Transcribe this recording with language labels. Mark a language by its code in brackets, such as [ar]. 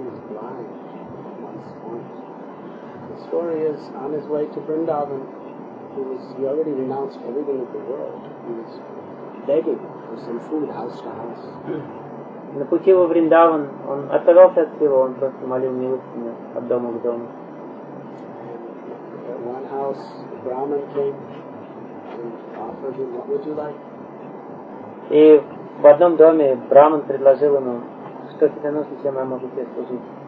[en] The story is on his way to Vrindavan, he already renounced everything in the world. He was begging for some food house to house. [ru] На пути во Вриндаван он отказался от всего, он просто молил милостыню от дома к дому. [en] At one house, the Brahmin came and offered him, what would you like? [ru] И в одном доме Брахман предложил ему, что тебе нужно, чем я могу тебе служить.